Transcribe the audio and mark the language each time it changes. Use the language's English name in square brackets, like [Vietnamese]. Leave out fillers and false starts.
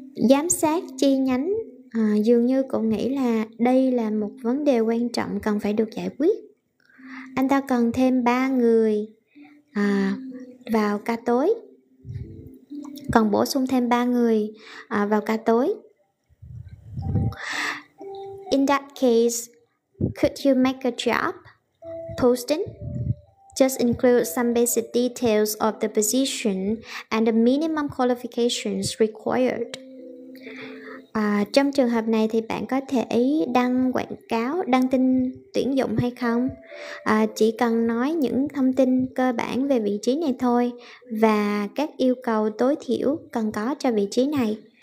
[Vietnamese] Giám sát chi nhánh dường như cũng nghĩ là đây là một vấn đề quan trọng cần phải được giải quyết. Anh ta cần thêm 3 người vào ca tối. còn bổ sung thêm 3 người vào ca tối. [English] In that case, could you make a job posting? Just include some basic details of the position and the minimum qualifications required. [Vietnamese] Trong trường hợp này thì bạn có thể đăng quảng cáo, đăng tin tuyển dụng hay không? Chỉ cần nói những thông tin cơ bản về vị trí này thôi và các yêu cầu tối thiểu cần có cho vị trí này.